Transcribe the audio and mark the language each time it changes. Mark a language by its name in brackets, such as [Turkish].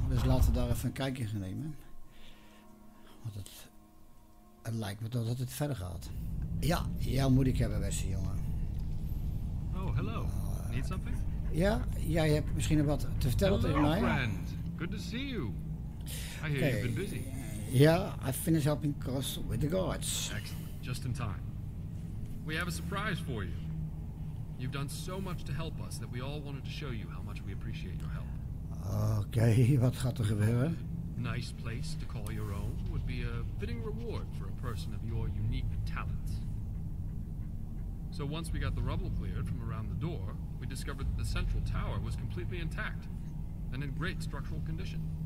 [Dutch] Dus laten we daar even een kijkje gaan nemen. Want het lijkt me dat het verder gaat. Ja, jou moet ik hebben, beste jongen. [English] Oh, hello. Need something? [Dutch] Ja, jij hebt misschien wat te vertellen tegen mij. [English] Hello, friend. Good to see you. I hear you've been busy. Yeah, I finished helping Cross with the guards. Excellent. Just in time. We have a surprise for you. You've done so much to help us that we all wanted to show you how much we appreciate your help. [Dutch] Okay, wat gaat er gebeuren? [English] A nice place to call your own would be a fitting reward for a person of your unique talents. So once we got the rubble cleared from around the door, we discovered that the central tower was completely intact and in great structural condition.